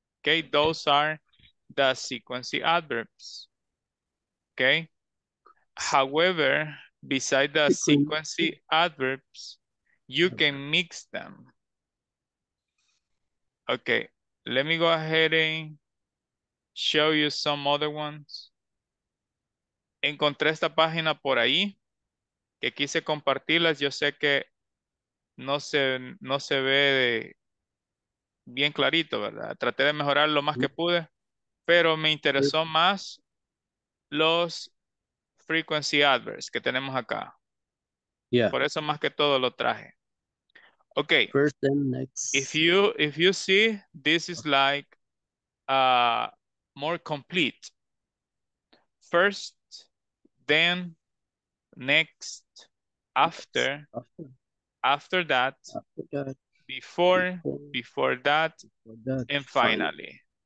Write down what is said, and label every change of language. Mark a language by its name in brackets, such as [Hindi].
[English] Okay, those are the sequence adverbs. Okay. However, beside the sequence adverbs, you can mix them. Okay, let me go ahead and show you some other ones. [Spanish] Encontré esta página por ahí que quise compartirlas. Yo sé que no se ve bien clarito, ¿verdad? Traté de mejorar lo más que pude, pero me interesó más los frequency adverbs que tenemos acá. [English] Yeah. [Spanish] Por eso más que todo lo traje. Okay. [English] First and next. If you see, this is like more complete. First, then, next, after, after that, before that, and finally.